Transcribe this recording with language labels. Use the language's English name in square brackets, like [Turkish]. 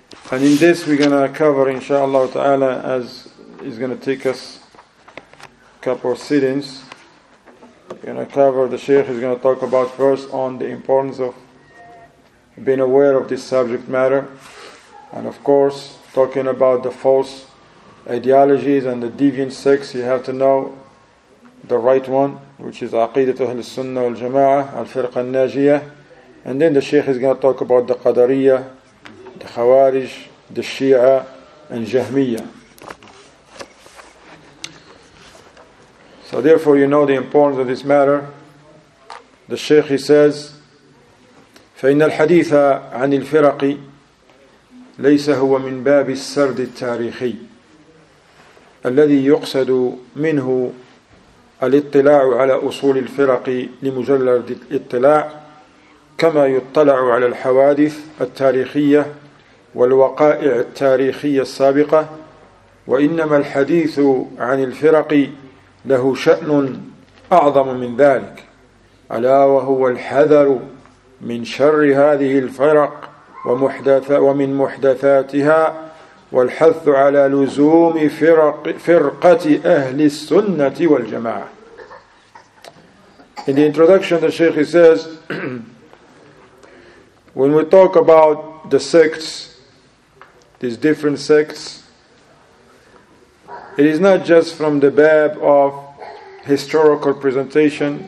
[English] And in this we're going to cover, inshaAllah ta'ala, as is going to take us a couple of sittings, we're going to cover, the Shaykh is going to talk about first on the importance of being aware of this subject matter, and of course, talking about the false ideologies and the deviant sects, you have to know the right one, which is Aqidat Ahl al-Sunnah wal-Jama'ah, Al-Firq al-Najiyah. And then the Shaykh is going to talk about the Qadariya, the Khawarij, the Shia, and Jahmiyyah. So therefore, you know the importance of this matter. The Shaykh, he says, [Arabic] فَإِنَّ الْحَدِيثَ عَنِ الْفِرَقِ ليس هو من باب السرد التاريخي الذي يقصد منه الاطلاع على أصول الفرق لمجرد الاطلاع، كما يطلع على الحوادث التاريخية والوقائع التاريخية السابقة، وإنما الحديث عن الفرق له شأن أعظم من ذلك، ألا وهو الحذر من شر هذه الفرق ومن محدثاتها، والحث على لزوم فرقة أهل السنة والجماعة. [English] In the introduction, the Shaykh says, when we talk about the sects, these different sects, it is not just from the bab of historical presentation.